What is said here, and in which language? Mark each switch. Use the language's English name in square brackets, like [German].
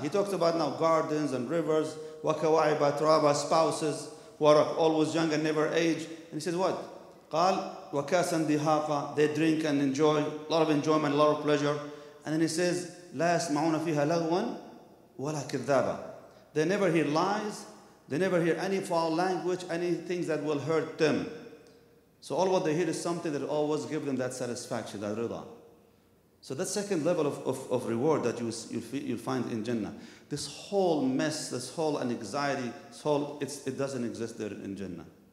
[English] He talks about now gardens and rivers. [Arabic] وكواعب أتراب, [English] spouses who are always young and never age. And he says what? [Arabic] قال وكاسا دهاقا. [English] They drink and enjoy. A lot of enjoyment, a lot of pleasure. And then he says [Arabic] لا يسمعون فيها لغوا ولا كذابا. [English] They never hear lies. They never hear any foul language, any things that will hurt them. So all what they hear is something that always gives them that satisfaction, that rida. So that second level of reward that you'll find in Jannah. This whole mess, this whole anxiety, this whole, it doesn't exist there in Jannah.